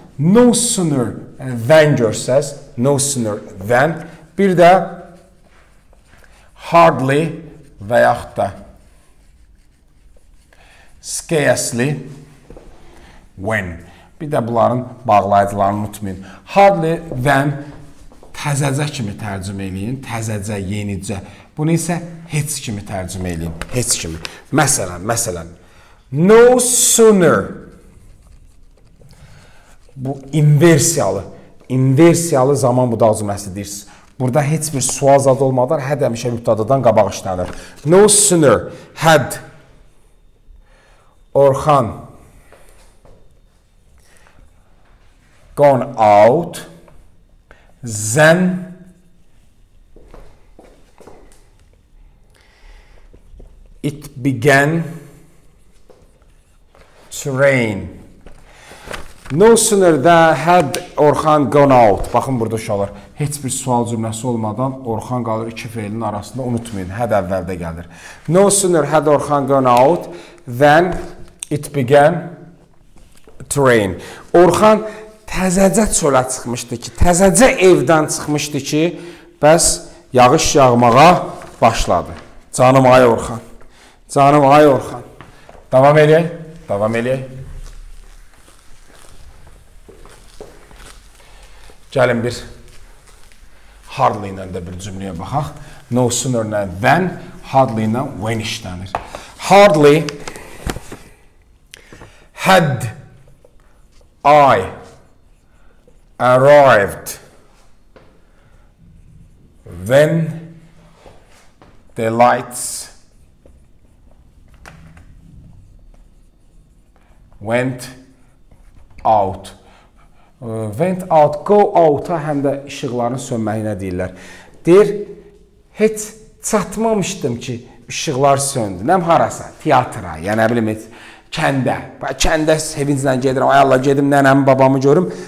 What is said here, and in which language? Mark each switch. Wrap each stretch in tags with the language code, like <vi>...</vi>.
<en>No sooner than görsəz. No sooner than.</en> <az>Bir də hardly və yaxud da scarcely when. Bir də bunların bağlayıcılarını unutmayın. Hardly than təzəcə kimi tərcümə eləyin. Təzəcə, yenicə. Bunu isə heç kimi tərcümə eləyin. Heç kimi. Məsələn. No sooner. Bu inversiyalı. İnversiyalı zaman budazuməsi deyirsiniz. Burada heç bir sual zadı olmadan had həmişə mübtədadan qabaq işlənir.</az> <en>No sooner had Orxan gone out than it began to rain. No sooner than had Orxan gone out.</en> <az>Baxın burada uşaqlar. Heç bir sual cümləsi olmadan Orxan qalır iki feylin arasında. Unutmayın. Had əvvəldə gəlir.</az> <en>No sooner had Orxan gone out than it began to rain.</en> <az>Orxan təzəcə çölə çıxmışdı ki, təzəcə evdən çıxmışdı ki, bəs yağış yağmağa başladı. Canım ay Orxan. Canım ay Orxan. Davam eləyək. Davam eləyək. Gəlin bir hardly ilə də bir cümləyə baxaq. No sooner than hardly ilə when işlənir.</az> <en>Hardly had I arrived when the lights went out.</en> <az>Went out, go out'a həm də işıqların sönməyinə deyirlər. Deyir, heç çatmamışdım ki, işıqlar söndü. Nəm harasa, teatra, yəni bilim, kəndə. Kəndə sevinclə gedirəm, ay Allah, gedim, nənəmi, babamı görüm.</az>